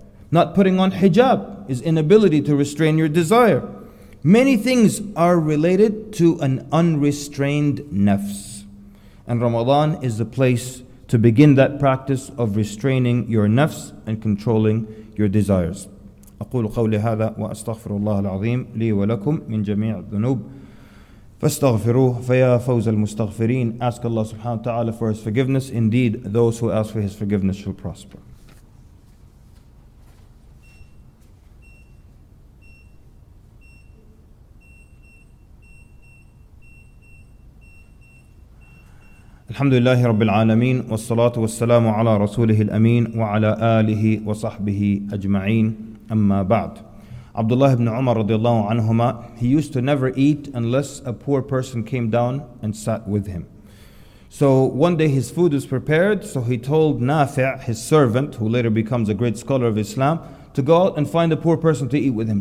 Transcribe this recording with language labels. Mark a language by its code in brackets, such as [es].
[en] Not putting on hijab is inability to restrain your desire. Many things are related to an unrestrained nafs. And Ramadan is the place to begin that practice of restraining your nafs and controlling your desires. [ar] أقول قولي هذا وأستغفر الله العظيم لي ولكم من جميع الذنوب فاستغفروه فيا فوز المستغفرين. [en] Ask Allah subhanahu wa ta'ala for His forgiveness. Indeed, those who ask for His forgiveness shall prosper. [ar] الحمد لله رب العالمين والصلاة والسلام على رسوله الأمين وعلى آله وصحبه أجمعين أما بعد. [en] Abdullah ibn Umar radiallahu anhuma, he used to never eat unless a poor person came down and sat with him. So one day his food was prepared, so he told Nafi', his servant, who later becomes a great scholar of Islam, to go out and find a poor person to eat with him.